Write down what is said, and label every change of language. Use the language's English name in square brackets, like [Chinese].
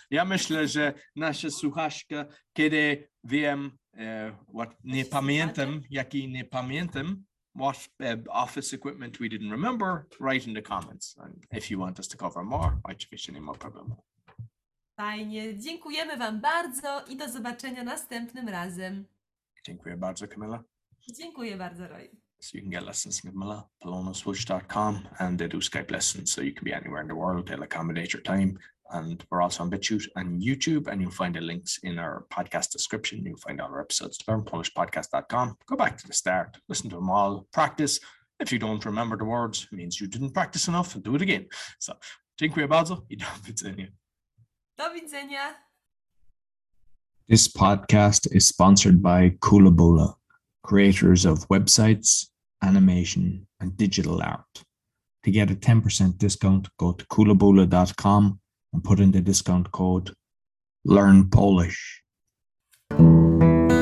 [Polish] Ja myślę, że nasza słuchaczka, kiedy wiem, nie pamiętam, jaki nie pamiętam, [English] what office equipment we didn't remember, write in the comments. And if you want us to cover more, [Polish] oczywiście nie ma problemu. Fajnie, dziękujemy Wam bardzo i do zobaczenia następnym razem. Dziękuję bardzo, Kamila. Dziękuję bardzo, Roy. [English] So you can get lessons from Kamila, polonaswitch.com, and they do Skype lessons, so you can be anywhere in the world, they'll accommodate your time. And we're also on BitChute and YouTube, and you'll find the links in our podcast description. You'll find all our episodes to learnpolishpodcast.com. Go back to the start, listen to them all, practice. If you don't remember the words, it means you didn't practice enough, and do it again. [Polish] So, dziękuję bardzo, i do widzenia. Do widzenia. [English] This podcast is sponsored by Koolaboola, creators of websites, animation, and digital art. To get a 10% discount, go to koolaboola.com and put in the discount code LearnPolish.